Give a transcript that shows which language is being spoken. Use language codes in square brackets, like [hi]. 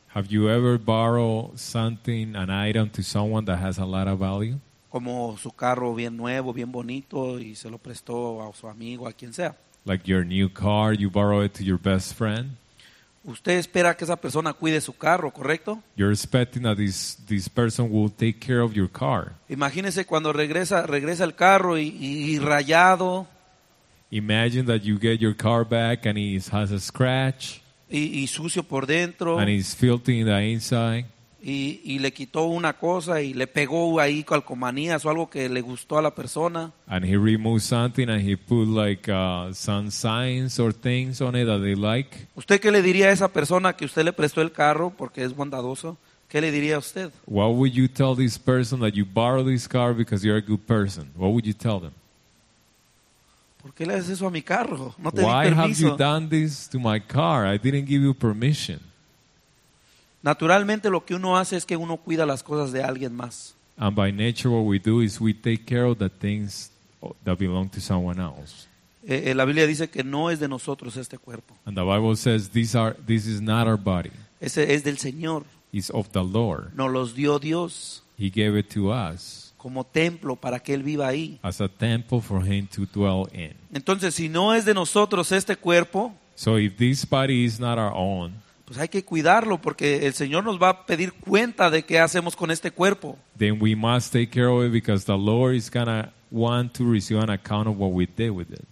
[en] Have you ever borrowed something, an item to someone that has a lot of value? [es] Como su carro bien nuevo, bien bonito, y se lo prestó a su amigo, a quien sea. [en] Like your new car, you borrow it to your best friend. [es] Usted espera que esa persona cuide su carro, ¿correcto? [en] You're expecting that this person will take care of your car. [es] Imagínese cuando regresa el carro y rayado. [en] Imagine that you get your car back and it has a scratch. [es] y sucio por dentro. [en] And he's filthy in the inside. [es] Y le quitó una cosa y le pegó ahí calcomanías o algo que le gustó a la persona. [en] And he removed something and he put like some signs or things on it that they like. [es] ¿Usted qué le diría a esa persona que usted le prestó el carro porque es bondadoso? ¿Qué le diría a usted? [en] What would you tell this person that you borrowed this car because you're a good person? What would you tell them? [es] ¿Por qué le haces eso a mi carro? No te [en] Why [es] di permiso. [en] Have you done this to my car? I didn't give you permission. [es] Naturalmente lo que uno hace es que uno cuida las cosas de alguien más. [en] And by nature what we do is we take care of the things that belong to someone else. [es] La Biblia dice que no es de nosotros este cuerpo. [en] And the Bible says this is not our body. [es] Ese es del Señor. [en] It's of the Lord. [es] Nos los dio Dios. [en] He gave it to us. [es] Como templo para que él viva ahí. [en] As a temple for him to dwell in. [es] Entonces si no es de nosotros este cuerpo, [en] so if this body is not our own, [es] pues hay que cuidarlo porque el Señor nos va a pedir cuenta de qué hacemos con este cuerpo. [en] Then we must take care of it because the Lord is gonna want to receive an account of what we did with it.